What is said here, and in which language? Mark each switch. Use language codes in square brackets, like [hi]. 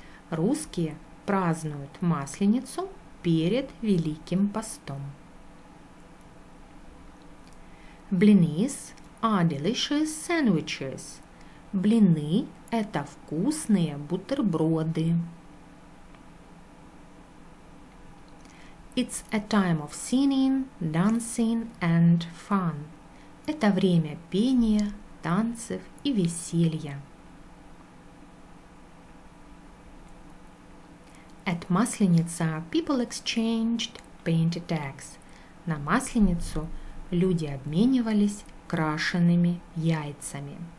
[ru] Русские празднуют Масленицу перед Великим постом. [en] Blinis are delicious sandwiches. [ru] Блины – это вкусные бутерброды. [en] It's a time of singing, dancing and fun. [ru] Это время пения, танцев и веселья. [en] At Масленица people exchanged painted eggs. [ru] На Масленицу люди обменивались крашенными яйцами.